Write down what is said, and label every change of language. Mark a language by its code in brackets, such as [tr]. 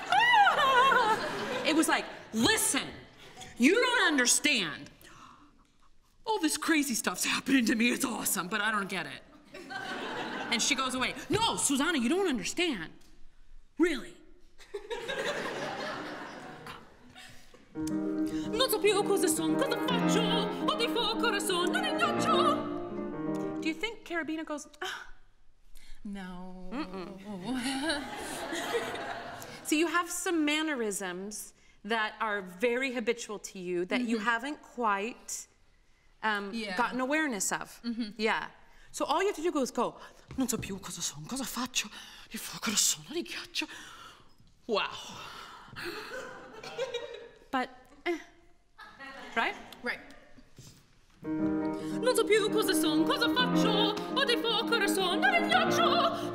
[en] Ah. It was like, listen, you don't understand. All this crazy stuff's happening to me, it's awesome, but I don't get it. And she goes away. No, Susanna, you don't understand. Really. [it] Non so più cosa son, cosa faccio, o di fuoco lo son, non il ghiaccio. [en] Do you think Carabina goes, ah? No. So you have some mannerisms that are very habitual to you that you haven't quite... gotten awareness of. Mm-hmm. Yeah. So all you have to do is go, [it] non so più cosa son, cosa faccio, di fuoco lo sono, di ghiaccio. [en] Wow. But, right? Right. [it] Non so più cosa son, cosa faccio, o di fuoco lo sono, di ghiaccio.